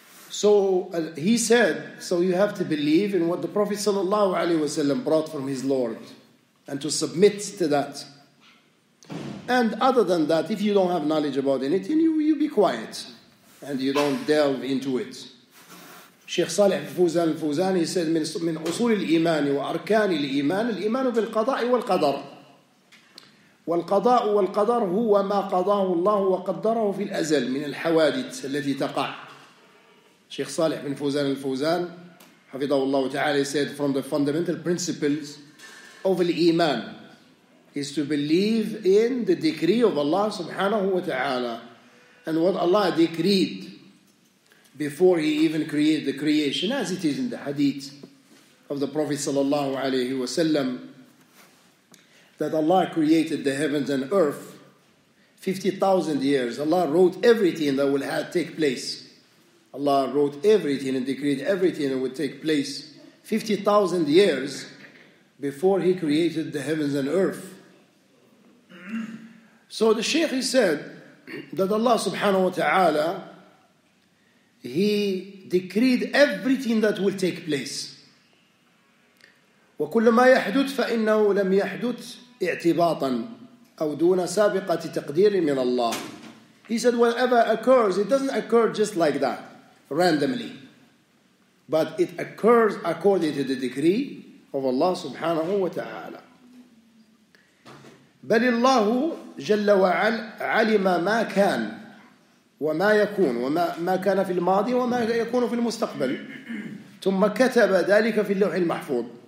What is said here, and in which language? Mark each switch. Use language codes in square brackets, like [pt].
[en] So he said, so you have to believe in what the Prophet sallallahu alaihi wasallam brought from his Lord and to submit to that. And other than that, if you don't have knowledge about anything, you be quiet and you don't delve into it. Sheikh Salih Fawzan al-Fawzan, he said, [ar] من أصول الإيمان وأركان الإيمان الإيمان بالقضاء والقدر والقضاء والقدر هو ما قضاه الله وقدره في الأزل من الحوادث التي تقع. [en] Sheikh Salih bin Fawzan al-Fawzan, hafidhahullah ta'ala, said, from the fundamental principles of al-Iman is to believe in the decree of Allah subhanahu wa ta'ala and what Allah decreed before He even created the creation, as it is in the hadith of the Prophet sallallahu alayhi wa sallam, that Allah created the heavens and earth 50,000 years. Allah wrote everything that will take place. Allah wrote everything and decreed everything that would take place 50,000 years before He created the heavens and earth. So the Shaykh, he said that Allah subhanahu wa ta'ala, He decreed everything that will take place. [ar] وَكُلَّمَا يَحْدُثْ فَإِنَّهُ لَمْ يَحْدُثْ اِعْتِبَاطًا أَوْ دُونَ سَابِقَةِ تَقْدِيرٍ مِنَ اللَّهِ. [en] He said, whatever occurs, it doesn't occur just like that. Randomly. But it occurs according to the decree of Allah subhanahu wa ta'ala. [ar] بَلِ اللَّهُ جَلَّ عَلِمَ مَا كَانَ وَمَا يَكُونَ وَمَا كَانَ فِي الْمَاضِي وَمَا يَكُونَ فِي الْمُسْتَقْبَلِ ثُمَّ كَتَبَ ذَلِكَ فِي اللَّوْحِ الْمَحْفُوظِ.